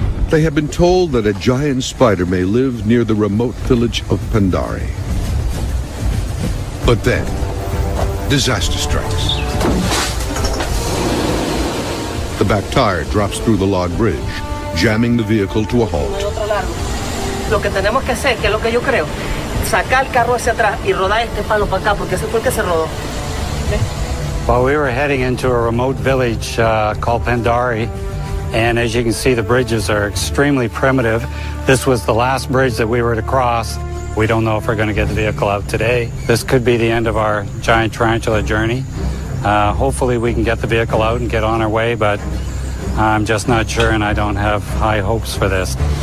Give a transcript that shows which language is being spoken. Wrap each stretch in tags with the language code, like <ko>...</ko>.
<en>They have been told that a giant spider may live near the remote village of Pandari. But then, disaster strikes. The back tire drops through the log bridge, jamming the vehicle to a halt.</en> <es>Lo que tenemos que hacer, que es lo que yo creo, sacar el carro hacia atrás y rodar este palo para acá, porque ese fue el que se rodó.</es> <en>Well, we were heading into a remote village called Pandari, and as you can see, the bridges are extremely primitive. This was the last bridge that we were to cross. We don't know if we're going to get the vehicle out today. This could be the end of our giant tarantula journey. Hopefully, we can get the vehicle out and get on our way, but I'm just not sure, and I don't have high hopes for this.</en>